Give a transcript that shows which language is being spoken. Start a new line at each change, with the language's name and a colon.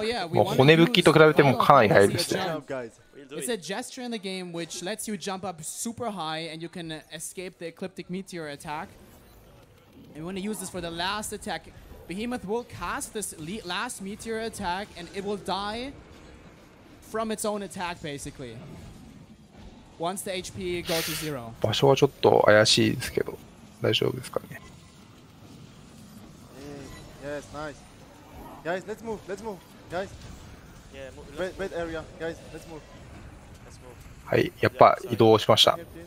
Japanese: もう骨吹きと比べてもかなり速いですね。
English: It's a gesture in the game which lets you jump up super high and you can escape the Ecliptic Meteor attack. And when he uses for the last attack, Behemoth will cast this last meteor attack and it will die from its own attack basically. Once the HP goes to zero.
Japanese: 場所はちょっと怪しいですけど、大丈夫ですかね。
English: Yes, nice. Guys, let's move, let's move. Guys. Yeah, wait area. Guys, let's move. Let's move.
Japanese: はい、やっぱ移動しました。